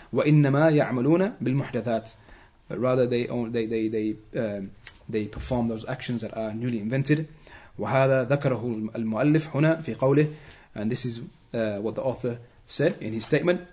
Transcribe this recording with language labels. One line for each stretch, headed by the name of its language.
Arabic: وإنما يعملون بالمحدثات.
English: But rather they perform those actions that are newly invented.
Arabic: وهذا ذكره المؤلف هنا في قوله.
English: And this is what the author said in his statement.